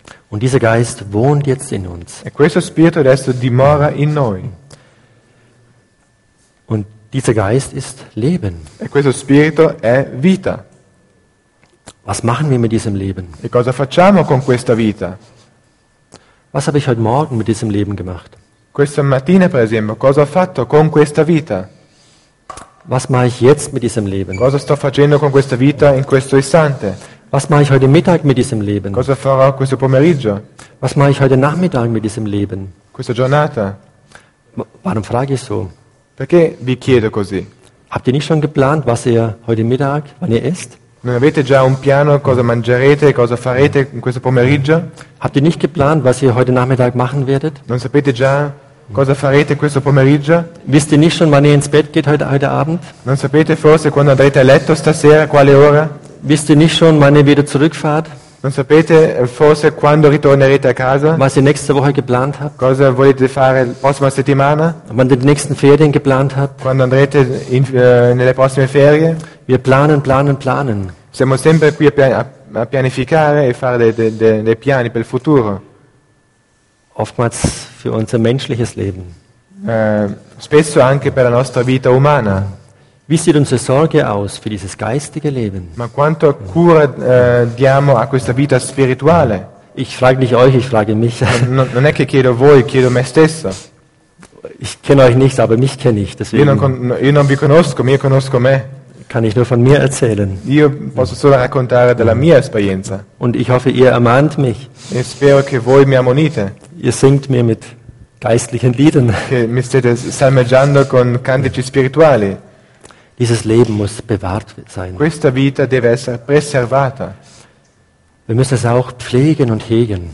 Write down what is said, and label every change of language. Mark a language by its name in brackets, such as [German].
[German] Und dieser Geist wohnt jetzt in uns. [Italian] E questo spirito adesso dimora in noi. [German] Und dieser Geist ist Leben. [Italian] E questo spirito è vita. [German] Was machen wir mit diesem Leben? [Italian] E cosa facciamo con questa vita? [German] Was habe ich heute Morgen mit diesem Leben gemacht? [Italian] Questa mattina, per esempio, cosa ho fatto con questa vita? [German] Was mache ich jetzt mit diesem Leben? [Italian] Cosa sto facendo con questa vita in questo istante? [German] Was mache ich heute Mittag mit diesem Leben? [Italian] Cosa farò questo pomeriggio? [German] Was mache ich heute Nachmittag mit diesem Leben? [Italian] Questa giornata? [German] Warum frage ich so? [Italian] Perché vi chiedo così? [German] Habt ihr nicht schon geplant, was ihr heute Mittag, wann ihr esst? [Italian] Non avete già un piano cosa mangerete, cosa farete in questo pomeriggio? [German] Habt ihr nicht geplant, was ihr heute Nachmittag machen werdet? [Italian] Non sapete già cosa farete questo pomeriggio? [German] Wisst ihr nicht schon, wann ihr ins Bett geht heute Abend? [Italian] Non sapete forse quando andrete a letto stasera, quale ora? [German] Wisst ihr nicht schon, wann ihr wieder zurückfahrt? [Italian] Non sapete forse quando ritornerete a casa? [German] Was ihr nächste Woche geplant habt? [Italian] Cosa volete fare la prossima settimana? [German] Wann ihr die nächsten Ferien geplant habt? [Italian] Quando andrete in, nelle prossime ferie? [German] Wir planen, planen, planen. [Italian] Siamo sempre qui a pianificare e fare dei piani per il futuro. [German] Oftmals für unser menschliches Leben. [Italian] Spesso anche per la nostra vita umana. [German] Wie sieht unsere Sorge aus für dieses geistige Leben? [Italian] Ma quanto cura diamo a questa vita spirituale? [German] Ich frage nicht euch, ich frage mich. [Italian] Non è che chiedo voi, chiedo me stesso. [German] Ich kenne euch nicht, aber mich kenne ich. Deswegen. [Italian] Io non vi conosco, mi conosco me. [German] Kann ich nur von mir erzählen. [Italian] Io posso solo raccontare della mia esperienza. [German] Und ich hoffe, ihr ermahnt mich. [Italian] E spero che voi mi ammonite. [German] Ihr singt mir mit geistlichen Liedern. [Italian] Che mi state salmeggiando con cantici spirituali. [German] Dieses Leben muss bewahrt sein. [Italian] Questa vita deve essere preservata. [German] Wir müssen es auch pflegen und hegen.